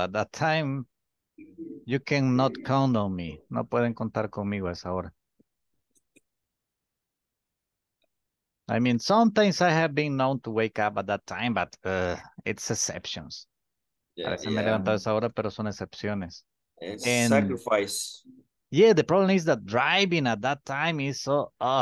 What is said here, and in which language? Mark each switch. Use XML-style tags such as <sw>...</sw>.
<en>At that time, you cannot count on me.</en> <es>No pueden contar conmigo a esa hora.</es> <en>I mean, sometimes I have been known to wake up at that time, but it's exceptions. Yeah,</en> <es>a veces me he levantado a esa hora, pero son excepciones.</es> <en>And sacrifice. Yeah, the problem is that driving at that time is so...</en>